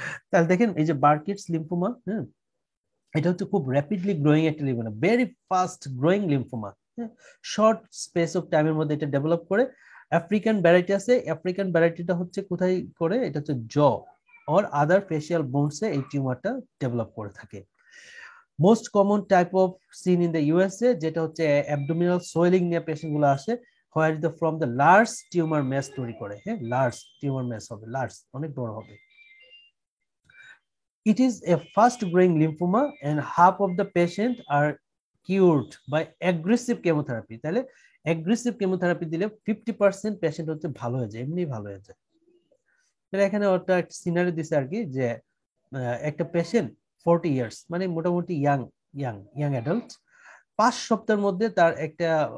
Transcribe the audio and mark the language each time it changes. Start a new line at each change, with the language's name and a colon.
Bangla: তাহলে দেখেন এই যে বার্কিটস লিম্ফোমা, হ্যাঁ, এটা হচ্ছে খুব র্যাপিডলি গ্রোয়িং একটা lymphoma, very fast growing lymphoma, short space of টাইমের মধ্যে এটা ডেভেলপ করে, আফ্রিকান ভ্যারাইটি আছে, আফ্রিকান ভ্যারাইটিটা হচ্ছে কোথায় করে, এটা হচ্ছে জ অর আদার ফেসিয়াল বোনসে এই টিউমারটা ডেভেলপ করে থাকে।
English: most common type of seen in the USA,
Bangla: যেটা হচ্ছে অ্যাবডোমিনাল সোয়েলিং নিয়ে পেশেন্ট গুলো আসে, where the from the large tumour mass তৈরি করে, হ্যাঁ, লার্জ টিউমার ম্যাস হবে, লার্জ অনেক বড় হবে।
English: It is a fast growing lymphoma and half of the patients are cured by aggressive chemotherapy.
Bangla: তাহলে aggressive chemotherapy দিলে 50% patient হচ্ছে ভালো হয়ে যায় এমনি ভালো হয়ে যায় তাহলে এখানে ওটা একটা সিনারি দিছে আর কি যে একটা patient 40 years মানে মোটামুটি ইয়াং ইয়াং ইয়াং অ্যাডাল্ট 5 সপ্তাহের মধ্যে তার একটা